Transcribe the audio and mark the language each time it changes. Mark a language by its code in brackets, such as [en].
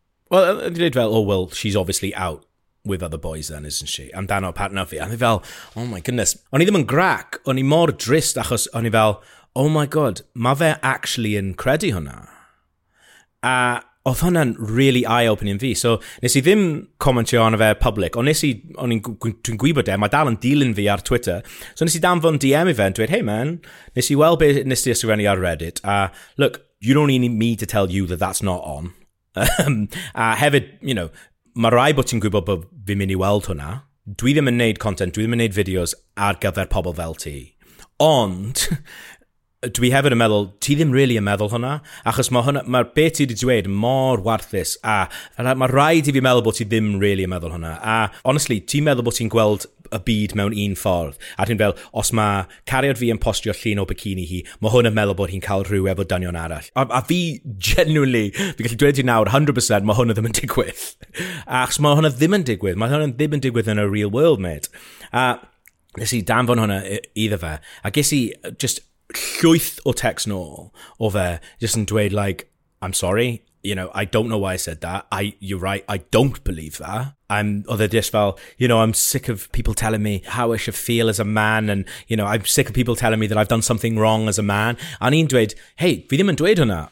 [cy] Wel, oedd yn dweud fel, [en] oh, well, she's obviously out with other boys then, isn't she? [cy] Amdano partner fi. A ni fel, oh my goodness. O'n i ddim yn grac, o'n i mor drist achos o'n i fel, [en] oh my god, [cy] mae fe actually yn credu hwnna. A oedd hwnna'n [en] really eye-opening [cy] fi. So nes i ddim commentio arno fe public, ond nes i, dwi'n gwybod e, mae dal yn dilyn fi ar Twitter. So nes i danfon DM i fe, dweud, [en] hey man, [cy] nes i weld beth nes i ysgrifennu ar Reddit, a [en] look, you don't need me to tell you that that's not on. [cy] A hefyd, [en] you know, [cy] mae rai bod ti'n gwybod bod fi'n mynd i weld hwnna. Dwi ddim yn neud content, dwi ddim yn neud fideos ar gyfer pobl fel ti. Ond, dwi hefyd yn meddwl, ti ddim really yn meddwl hwnna. Achos mae beth ti wedi dweud mor warthus. A mae rhaid i fi meddwl bod ti ddim really yn meddwl hwnna. A honestly, ti'n meddwl bod ti'n gweld y byd mewn un ffordd. A ti'n fel, os mae cariad fi yn postio llun o bikini hi, mae hwn yn meddwl bod hi'n cael rhyw efo dynion arall. A fi, genuinely, fi gallu dweud ti nawr, 100%, mae hwn ddim yn digwydd. Achos mae hwn ddim yn digwydd. Mae hwn ddim yn digwydd yn y [en] real world, mate. [cy] A nes i danfon hwnna iddo fe. A ges i just llwyth o text nôl o fe, just yn dweud, [en] like, I'm sorry. You know, I don't know why I said that. You're right, I don't believe that. [cy] Oedd e just fel, [en] you know, I'm sick of people telling me how I should feel as a man, and, you know, I'm sick of people telling me that I've done something wrong as a man. [cy] A ni'n dweud, hey, fi ddim yn dweud hwnna.